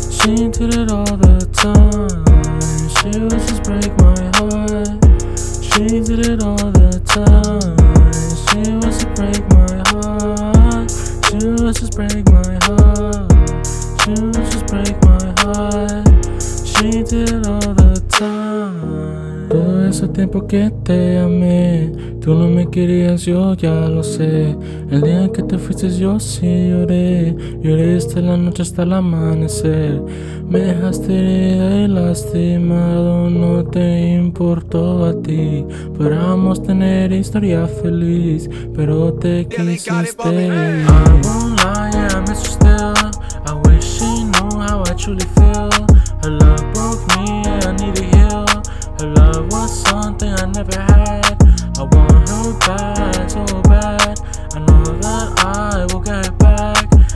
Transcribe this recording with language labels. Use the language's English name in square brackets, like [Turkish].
[English] She did it all the time. She would just break my heart. She did it all the time. She would just break my heart. She would just break my heart. She would just break my heart. She did it all the time. [Spanish] Todo ese tiempo que te amé. Tú no me querías, yo ya lo sé. El día que te fuiste yo sí lloré. Lloré desde la noche hasta el amanecer. Me dejaste herida y lastimado. No te importó a ti. Podríamos tener historia feliz, pero te quisiste. [English] I won't lie, I miss you still. I wish you knew how I truly feel. Her love broke me, I need to heal. Her love was something I never had. I want her back so bad. I know that I will get her back.